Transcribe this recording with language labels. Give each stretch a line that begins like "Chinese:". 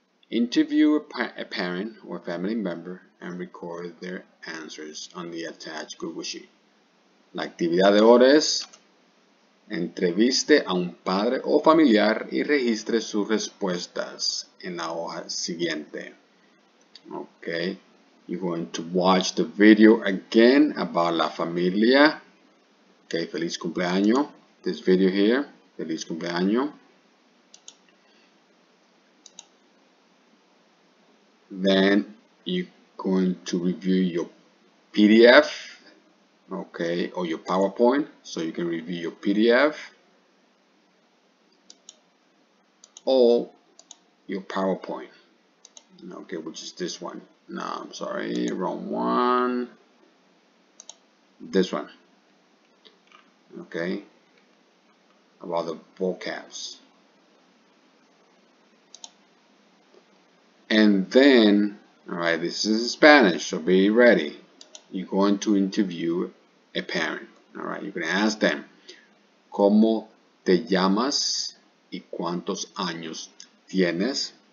English: Interview a parent or family member and record their answers on the attached Google Sheet.
Spanish: La actividad de hoy es entreviste a un padre o familiar y registre sus respuestas en la hoja siguiente.
English: Okay, you're going to watch the video again about la familia. Okay,
Spanish: feliz cumpleaños.
English: This video here, feliz cumpleaños. Then you're going to review your PDF, okay, or your PowerPoint, so you can review your PDF or your PowerPoint. Okay, which is this one. No, I'm sorry, wrong one. This one. Okay. About the vocabs. And then, all right, this is Spanish, so be ready. You're going to interview a parent. All right, you're going to ask them,
Spanish: ¿Cómo te llamas y cuántos años tienes?